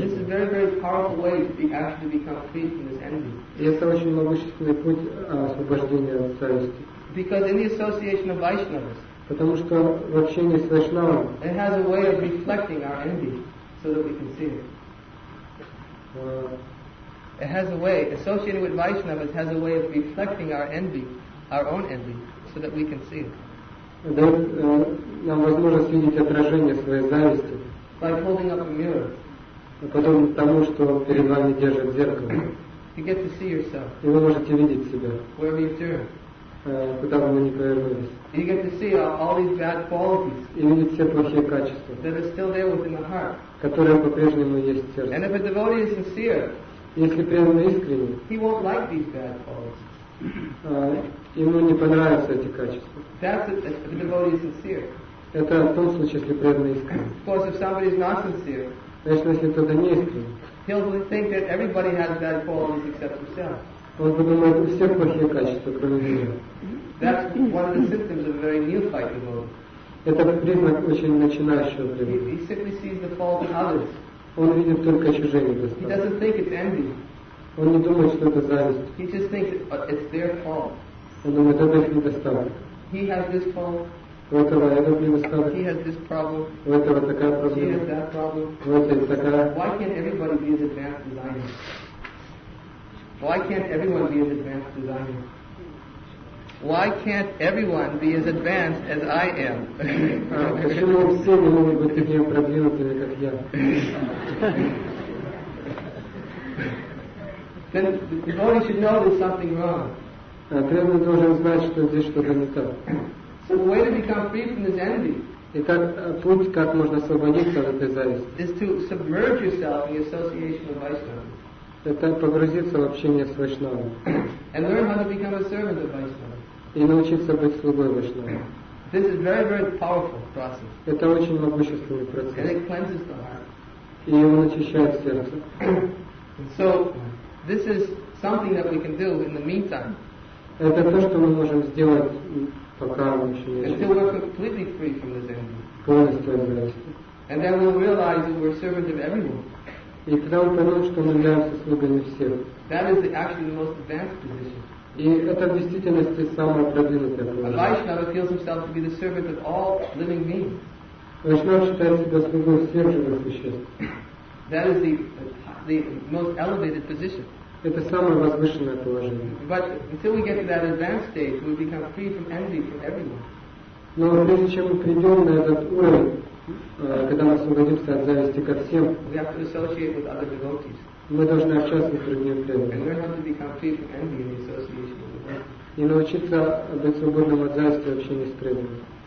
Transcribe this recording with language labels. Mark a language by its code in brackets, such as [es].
[en] This is a very, very powerful way to actually become free from this envy. [ru] И это очень могущественный путь освобождения от зависти. [en] Because in the association of Vaishnavas. [ru] Потому что в общении с Вайшнавом. [en] It has a way of reflecting our envy, so that we can see it. It has a way. Associated with Vaishnavas has a way of reflecting our envy, our own envy, so that we can see it. [ru] Дает нам возможность видеть отражение своей зависти. [en] By holding up a mirror. [ru] Потом тому, что перед вами держит зеркало. [en] You get to see yourself. [ru] И вы можете видеть себя. [en] Wherever you turn. [ru] Куда бы мы ни повернулись. [en] You get to see all these bad qualities. [ru] И видеть все плохие качества. [en] That are still there within the heart. [ru] Которые по-прежнему есть в сердце. [en] And if a devotee is sincere. [ru] Если преданный искренний. [en] He won't like these bad qualities. [ru] Ему не понравятся эти качества. [en] That's if a devotee is sincere. [ru] Это в том случае, если преданный искренний. [en] Of course, if somebody is not sincere. [ru] Конечно, если кто-то не искренний. [en] He'll think that everybody has bad qualities except himself. [ru] Он подумает, у всех плохие качества, кроме меня. [en] That's one of the symptoms of a very neophyte devotee. [ru] Это признак очень начинающего преданного. [en] He simply sees the fault in others. [ru] Он видит только чужие недостатки. [en] He doesn't think it's envy. [ru] Он не думает, что это зависть. [en] He just thinks it's their fault. [ru] Он думает, это их недостаток. [en] He has this fault. [ru] У этого этот недостаток. [en] He has this problem. [ru] У этого такая проблема. [en] He has that problem. [ru] У этого такая. [en] Why can't everybody be as advanced as I am? Why can't everyone be as advanced as I am? Why can't everyone be as advanced as I am? [ru] Почему все не могут быть такими продвинутыми, как я? [en] Then the devotee should know there's something wrong. [ru] Преданный должен знать, что здесь что-то не то. [en] So the way to become free from this envy. [ru] Итак, путь, как можно освободиться от этой зависти. [en] Is to submerge yourself in the association of Vaishnava. [ru] Это погрузиться в общение с Вайшнавом. [en] And learn how to become a servant of Vaishnava. [ru] И научиться быть слугой Вайшнава. [en] This is very, very powerful process. [ru] Это очень могущественный процесс. [en] And it cleanses the heart. [ru] И он очищает сердце. [en] So, this is something that we can do in the meantime. [ru] Это то, что мы можем сделать, пока мы еще не [en] Until we're completely free from this envy. [ru] Полностью отбросить. [en] And then we'll realize that we're servants of everyone. [ru] И тогда он понял, что мы являемся слугами всех. [en] That is actually the most advanced position. [ru] И это в действительности самое продвинутое положение. [en] Vaishnava feels himself to be the servant of all living beings. [ru] Vaishnava считает себя слугой всех живых существ. [en] That is the most elevated position. [ru] Это самое возвышенное положение. [en] But until we get to that advanced stage, we become free from envy for everyone. [ru] Но прежде чем мы придем на этот уровень, когда мы освободимся от зависти ко всем, [en] we have to associate with other devotees. [ru] Мы должны общаться с другими преданными. [en] And learn how to be complete from envy in the association with them. [ru] И научиться быть свободным от зависти в общении с преданными.